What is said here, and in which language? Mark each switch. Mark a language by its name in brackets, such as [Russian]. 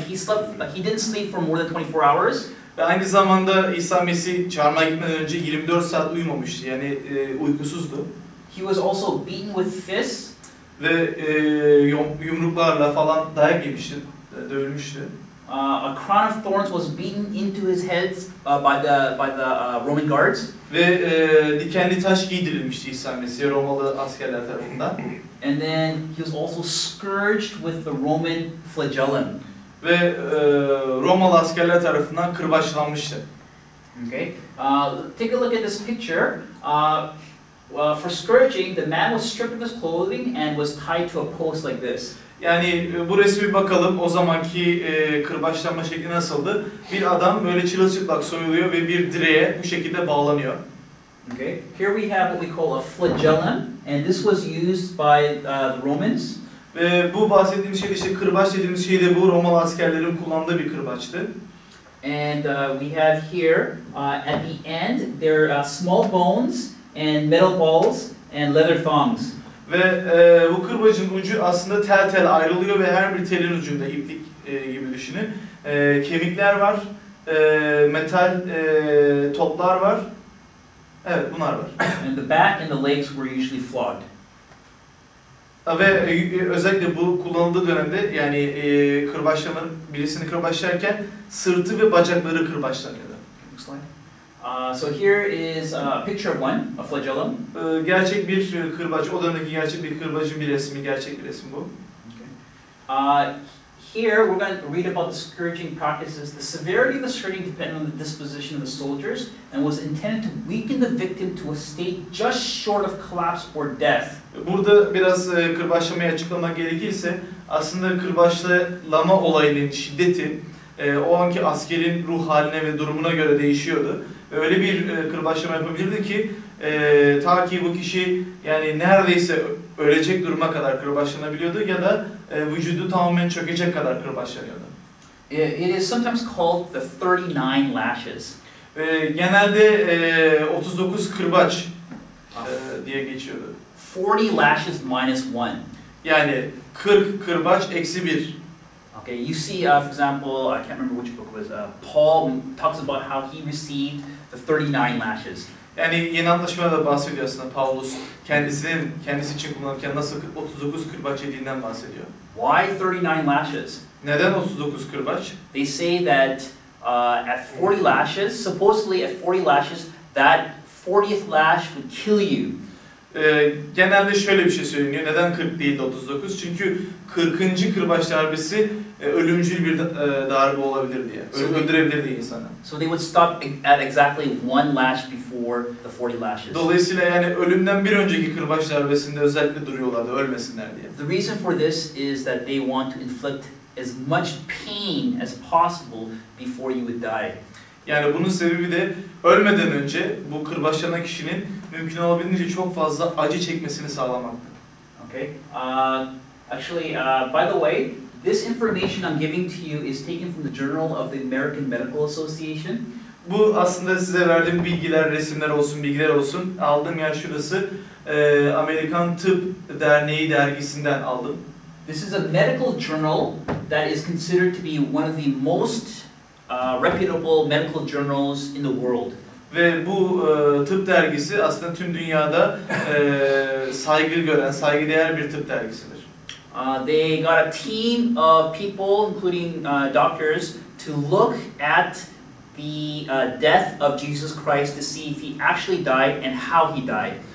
[English] He slept, but he didn't sleep for more than 24 hours. [Turkish] Ve aynı zamanda İsa Mesih çarmıha gitmeden önce 24 saat uyumamıştı. Yani uykusuzdu. [English] He was also beaten with fists. [Turkish] Ve yumruklarla falan dayak yemişti, dövülmüştü. [English] A crown of thorns was beaten into his head by the Roman guards. [Turkish] Ve dikenli taş giydirilmişti İsa Mesih Romalı askerler tarafından. [English] And then he was also scourged with the Roman flagellum. [Turkish] Ve Romalı askerler tarafından kırbaçlanmıştı. [English] Okay. Take a look at this picture. For scourging, the man was stripped of his clothing and was tied to a post like this. [Turkish] Yani bu resmi bakalım o zamanki kırbaçlanma şekli nasıldı? Bir adam böyle çırılçıplak soyuluyor ve bir direğe bu şekilde bağlanıyor. [English] Okay. Here we have what we call a flagellum and this was used by the Romans. [Turkish] Ve bu bahsettiğim şey işte kırbaç dediğimiz şey de bu Romalı askerlerin kullandığı bir kırbaçtı. [English] And we have here at the end there are small bones and metal balls and leather thongs. [Turkish] Ve bu kırbacın ucu aslında tel tel ayrılıyor ve her bir telin ucunda iplik gibi düşünün. Kemikler var, metal toplar var. Evet, bunlar var. [English] And the back and the legs were usually flogged. [Turkish] Ve özellikle bu kullanıldığı dönemde yani kırbaçlanan birisini kırbaçlarken sırtı ve bacakları kırbaçlanıyordu. [English] So here is a picture of one, a flagellum. [Turkish] Gerçek bir kırbaç, o dönemdeki gerçek bir kırbacın bir resmi, gerçek bir resim bu. [English] Okay. Here we're going to read about the scourging practices. The severity of the scourging depended on the disposition of the soldiers and was intended to weaken the victim to a state just short of collapse or death. [Turkish] Burada biraz kırbaçlamayı açıklamak gerekirse, aslında kırbaçlama olayının şiddeti o anki askerin ruh haline ve durumuna göre değişiyordu. Öyle bir kırbaçlama yapabilirdi ki ta ki bu kişi yani neredeyse ölecek duruma kadar kırbaçlanabiliyordu ya da vücudu tamamen çökecek kadar kırbaçlanıyordu. [English] It is sometimes called the 39 lashes. [Turkish] Genelde 39 kırbaç diye geçiyordu. [English] 40 lashes minus 1. [Turkish] Yani 40 kırbaç eksi 1. [English] Okay, you see, for example, I can't remember which book it was. Paul talks about how he received the 39 lashes. [Turkish] Yani yeni anlaşmada bahsediyor aslında Paulus kendisi için kullanırken nasıl 39 kırbaç yediğinden bahsediyor. [English] Why 39 lashes? [Turkish] Neden 39 kırbaç? [English] They say that at 40 lashes, supposedly at 40 lashes, that 40th lash would kill you. [Turkish] Genelde şöyle bir şey söyleniyor. Neden 40 değil de 39? Çünkü 40. kırbaç darbesi ölümcül bir darbe olabilir diye. Öldürebilir diye insanı. [English] So they would stop at exactly one lash before the 40 lashes. [Turkish] Dolayısıyla yani ölümden bir önceki kırbaç darbesinde özellikle duruyorlardı, ölmesinler diye. [English] The reason for this is that they want to inflict as much pain as possible before you would die. [Turkish] Yani bunun sebebi de ölmeden önce bu kırbaçlanan kişinin mümkün olabildiğince çok fazla acı çekmesini sağlamaktı. [English] Okay. By the way, this information I'm giving to you is taken from the Journal of the American Medical Association. [Turkish] Bu aslında size verdiğim bilgiler, resimler olsun, bilgiler olsun. Aldığım yer şurası, Amerikan Tıp Derneği dergisinden aldım. [English] This is a medical journal that is considered to be one of the most reputable medical journals in the world. [Turkish] Ve bu tıp dergisi aslında tüm dünyada saygı gören, saygıdeğer bir tıp dergisidir. [English] They got a team of people, including doctors, to look at the death of Jesus Christ to see if he actually died and how he died.